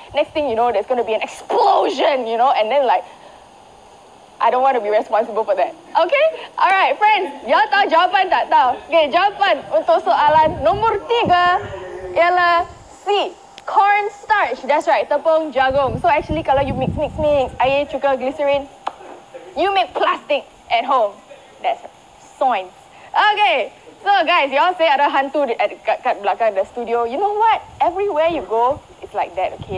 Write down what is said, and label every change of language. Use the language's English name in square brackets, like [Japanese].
[English] Next thing you know, there's going to be an explosion, you know, and then like, I don't want to be responsible for that. Okay? Alright, friends, y'all [Malay] tahu jawapan tak tahu? Okay, jawapan untuk soalan nomor tiga ialah C, corn starch. [English] That's right, [Malay] tepung jagung. [English] So actually, kalau you mix, [Malay] air, cuka, [English] glycerin, you make plastic at home. That's science. Okay. So guys, y'all say [Malay] ada hantu kat belakang [English] the studio. You know what? Everywhere you go, it's like that, okay?